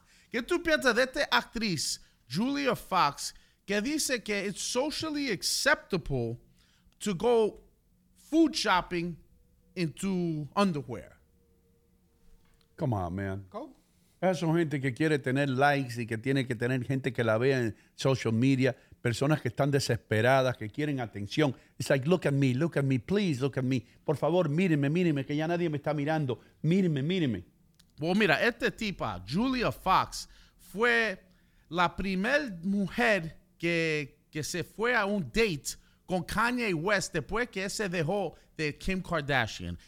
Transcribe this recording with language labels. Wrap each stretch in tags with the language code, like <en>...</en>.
<es>¿Qué tú piensas de esta actriz, Julia Fox, que dice que</es> <en>it's socially acceptable to go food shopping into underwear? Come on, man.</en> <es>¿Cómo? Esas son gente que quiere tener likes y que tiene que tener gente que la vea en social media, personas que están desesperadas, que quieren atención.</es> <en>It's like, look at me, please, look at me.</en> <es>Por favor, mírenme, mírenme, que ya nadie me está mirando. Mírenme, mírenme. Bueno, mira, esta tipa, Julia Fox, fue la primer mujer que se fue a un date con Kanye West después que se dejó de Kim Kardashian.</es>